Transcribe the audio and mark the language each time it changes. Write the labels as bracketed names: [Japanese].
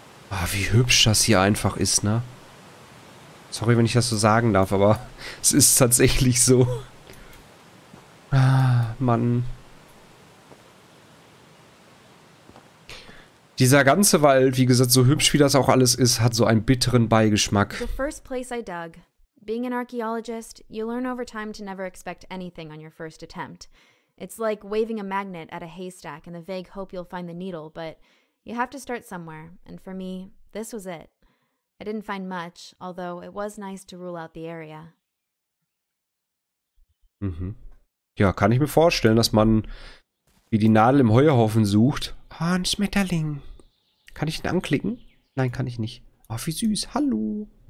[German] Ah, wie hübsch das hier einfach ist, ne? Sorry, wenn ich das so sagen darf, aber es ist tatsächlich so. Ah, Mann. Dieser ganze Wald, wie gesagt, so hübsch wie das auch alles ist, hat so einen bitteren Beigeschmack. [English] The first place I dug. Being an archaeologist, you learn over time to never expect anything on your first attempt. It's like waving a magnet at a haystack in the vague hope you'll find the needle, but... You have to start somewhere, and for me, this was it. I didn't find much, although it was nice to rule out the area. Mhm. [German] Ja, kann ich mir vorstellen, dass man wie die Nadel im Heuhaufen sucht. Ah, oh, ein Schmetterling. Kann ich ihn anklicken? Nein, kann ich nicht. Oh, wie süß. Hallo.